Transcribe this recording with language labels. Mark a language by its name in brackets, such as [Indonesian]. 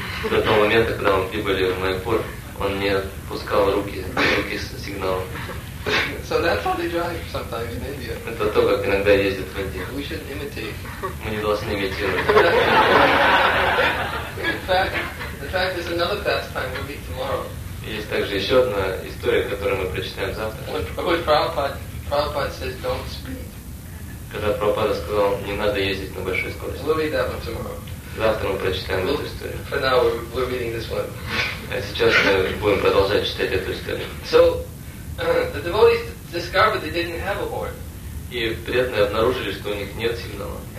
[Russian] До того момента, когда мы прибыли в Майяпур, он не отпускал руки с сигналом. [English] So that's how they drive sometimes in India. [Russian] Это то, как иногда ездят в Индии. [English] We should imitate. [Russian] Мы не должны имитировать. [English] In fact, there's another pastime we'll meet tomorrow. [Russian] Есть также еще одна история, которую мы прочитаем завтра. [English] Prabhupada says, don't speed. [Russian] Когда Прабхупада сказал, не надо ездить на большой скорости. [English] We'll read that one tomorrow. [Russian] Завтра мы прочитаем эту историю. [English] For now, we're reading this one. [Russian] А сейчас мы будем продолжать читать эту историю. [English] So, the devotees discovered they didn't have a horn. [Russian] И преданные обнаружили, что у них нет сигнала.